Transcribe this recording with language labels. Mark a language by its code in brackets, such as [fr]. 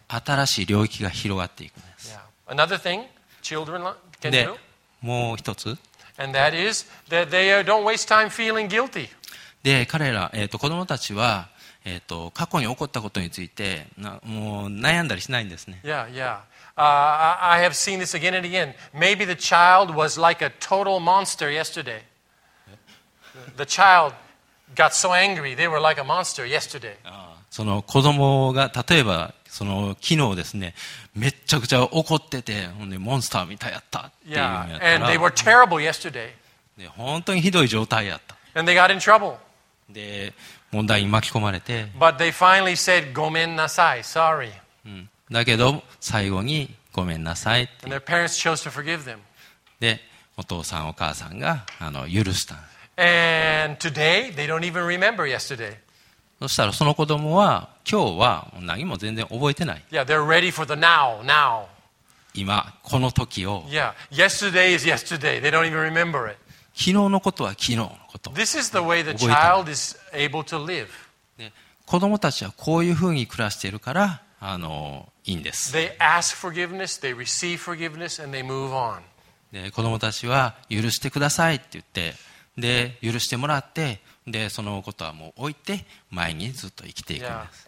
[ja] 新しい領域が広がっていくんです。 [en] Yeah. Another thing, children can do. [ja] で、もう一つ。 [en] And that is that they don't waste time feeling guilty. [ja] で、彼ら、子供たちは、過去に起こったことについてもう悩んだりしないんですね。 [en] Yeah, yeah. I have seen this again and again. Maybe the child was like a total monster yesterday. The child got so angry. They were like a monster yesterday. [ja] その子供が例えばその昨日ですね、めちゃくちゃ怒ってて、ほんでモンスターみたいやったっていうのやったら、 [en] yeah. And they were terrible yesterday. [ja] 本当にひどい状態やった。 [en] And they got in trouble. [ja] で問題に巻き込まれて。 [en] But they finally said, [ja] ごめんなさい、 [en] sorry. [ja] だけど最後にごめんなさいって。 [en] And their parents chose to forgive them. [ja] で、お父さんお母さんが許した。 [en] And today, they don't even remember yesterday. [ja] そしたらその子供は今日は何も全然覚えてない。 [en] Yeah, they're ready for the now, now. [ja] 今この時を。 [en] Yeah, yesterday is yesterday. They don't even remember it. [ja] 昨日のことは昨日のこと。 [en] This is the way the child is able to live. [ja] 子供たちはこういうふうに暮らしているから。いいんです。 [en] They ask forgiveness, they receive forgiveness, and they move on. [ja] で、子供たちは許してくださいって言って、で、許してもらって、で、そのことはもう置いて、前にずっと生きていくんです。